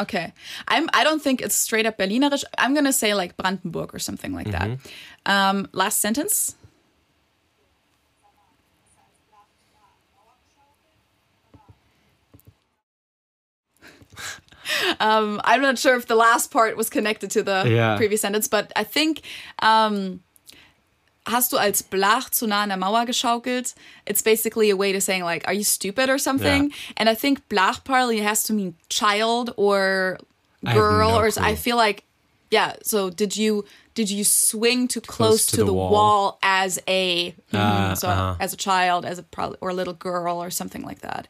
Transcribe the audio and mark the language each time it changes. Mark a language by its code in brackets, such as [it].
[en] Okay. I don't think it's straight up Berlinerisch. I'm gonna say like Brandenburg or something like mm-hmm. that. Last sentence. I'm not sure if the last part was connected to the yeah. previous sentence, but I think [de] hast du als Blach zu nah an der Mauer geschaukelt? [en] It's basically a way to saying like, are you stupid or something? Yeah. And I think Blach probably has to mean child or girl. I feel like, yeah, so did you swing too close to the wall as a as a child, as a or a little girl or something like that?